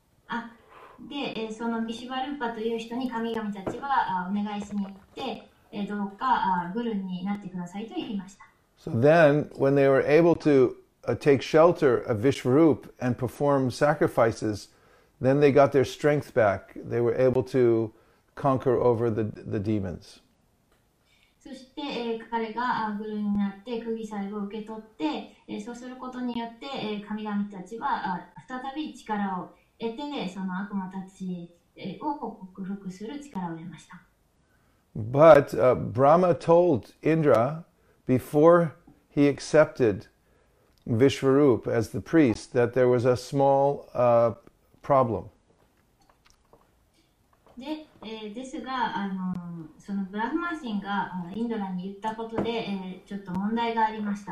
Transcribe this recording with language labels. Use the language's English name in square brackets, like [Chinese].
[English] So then, when they were able to take shelter of Vishwarup and perform sacrifices, then they got their strength back. They were able to conquer over the demons. [Japanese] そして、彼がグルになって、釘さえを受け取って、そうすることによって、神々たちは再び力を得て、ね、その悪魔たちを克服する力を得ました。 [English] But Brahma told Indra before he accepted Vishwarup as the priest that there was a small problem. [Japanese] で、ですが、そのブラフマ神がインドラに言ったことで、ちょっと問題がありました。